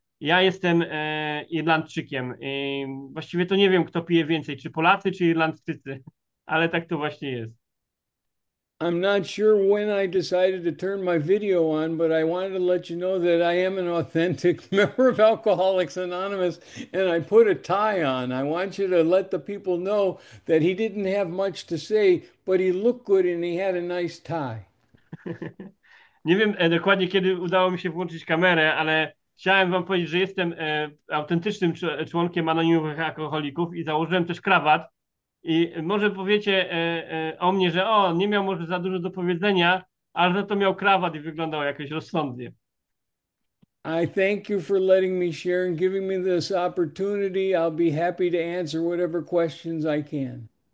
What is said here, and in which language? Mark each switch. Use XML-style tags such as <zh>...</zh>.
<pl>Ja jestem Irlandczykiem i właściwie to nie wiem, kto pije więcej, czy Polacy, czy Irlandczycy, ale tak to właśnie jest.</pl> <en>I'm not sure when I decided to turn my video on, but I wanted to let you know that I am an authentic member of Alcoholics Anonymous and I put a tie on. I want you to let the people know that he didn't have much to say, but he looked good and he had a nice tie.</en> <pl>Nie wiem dokładnie, kiedy udało mi się włączyć kamerę, ale chciałem wam powiedzieć, że jestem autentycznym członkiem anonimowych alkoholików i założyłem też krawat. I może powiecie o mnie, że o, nie miał może za dużo do powiedzenia, ale za to miał krawat i wyglądał jakoś rozsądnie.</pl> <en>I thank you for letting me share and giving me this opportunity. I'll be happy to answer whatever questions I can.</en>